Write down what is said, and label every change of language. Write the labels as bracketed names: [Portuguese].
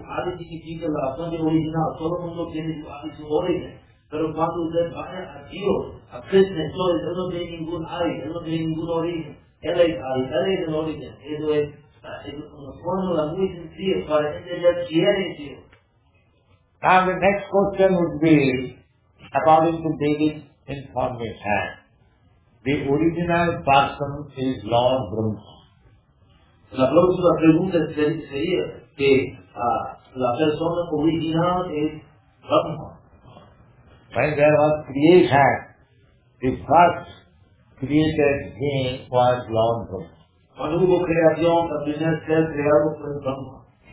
[Spanish] Adi significa la fuente original, todo el mundo tiene su Adi, su origen. Pero cuando usted va a Dios, a Krishna, entonces él no tiene ningún Adi, él no tiene ningún origen. Él es Adi, él es el origen. Eso es una fórmula muy sencilla para entender quién es Dios. [English] Now the next question would be, according to David's information, the original person is Lord Brahma. [Spanish] La próxima pregunta sería que la persona original es Brahma. [English] When there was creation, the first created being was Lord Brahma. [Spanish] Cuando hubo creación, la primera ser creado fue Brahma.